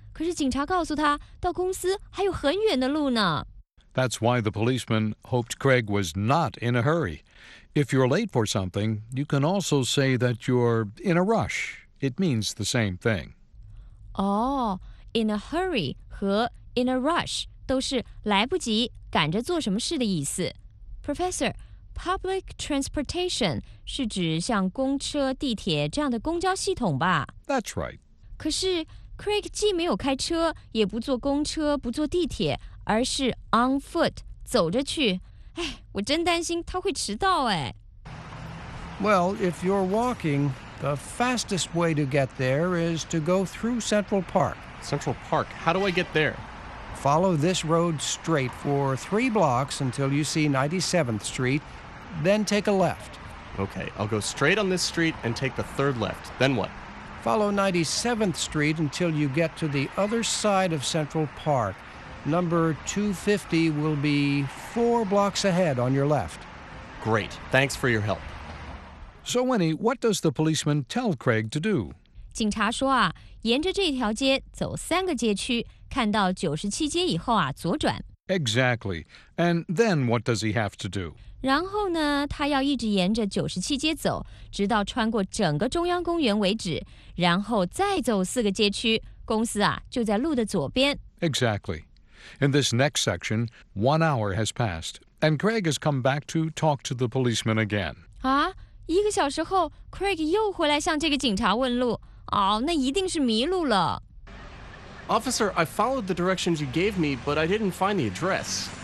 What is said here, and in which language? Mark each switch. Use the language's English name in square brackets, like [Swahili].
[Chinese] 可是警察告诉他，到公司还有很远的路呢。 [English] That's why the policeman hoped Craig was not in a hurry. If you're late for something, you can also say that you're in a rush. It means the same thing. [Chinese] Oh, in a hurry 和 in a rush都是来不及赶着做什么事的意思。 Professor, public transportation 是指像公车、地铁这样的公交系统吧？ [English] That's right. [Chinese] 可是 Craig 既没有开车，也不坐公车，不坐地铁，而是 on foot, 走着去。哎，我真担心他会迟到哎。 [English] Well, if you're walking, the fastest way to get there is to go through Central Park. Central Park, how do I get there? Follow this road straight for 3 blocks until you see 97th Street, then take a left. Okay, I'll go straight on this street and take the 3rd left. Then what? Follow 97th Street until you get to the other side of Central Park. Number 250 will be 4 blocks ahead on your left. Great. Thanks for your help. So, Winnie, what does the policeman tell Craig to do? [Chinese] 警察说啊，沿着这条街走三个街区。看到97街以后啊，左转。 [English] Exactly. And then what does he have to do? [Chinese] 然后呢，他要一直沿着97街走，直到穿过整个中央公园为止，然后再走4个街区，公司啊，就在路的左边。 [English] Exactly. In this next section, 1 hour has passed, and Craig has come back to talk to the policeman again. [Chinese] 啊，一个小时后， Craig 又回来向这个警察问路。哦，那一定是迷路了。 [English] Officer, I followed the directions you gave me, but I didn't find the address.